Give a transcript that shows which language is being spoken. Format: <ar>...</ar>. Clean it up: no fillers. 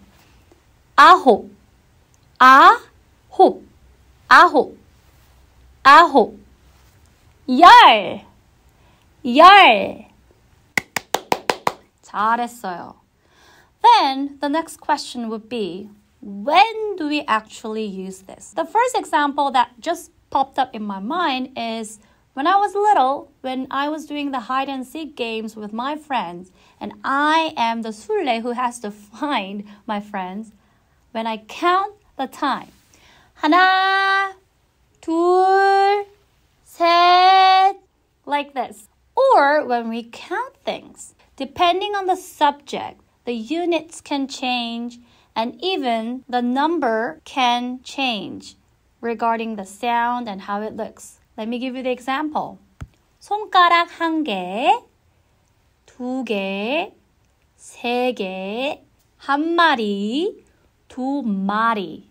<ko>아홉 아홉 아홉 아홉 열 열 잘했어요.</ko> <en>Then, the next question would be, when do we actually use this? The first example that just popped up in my mind is when I was little, when I was doing the hide-and-seek games with my friends, and I am the 술래 who has to find my friends, when I count the time.</en> <ko>하나, 둘, 셋,</ko> <en>like this. Or when we count things, depending on the subject, the units can change, and even the number can change regarding the sound and how it looks. Let me give you the example.</en> <ko>손가락 한 개, 두 개, 세 개, 한 마리, 두 마리.</ko>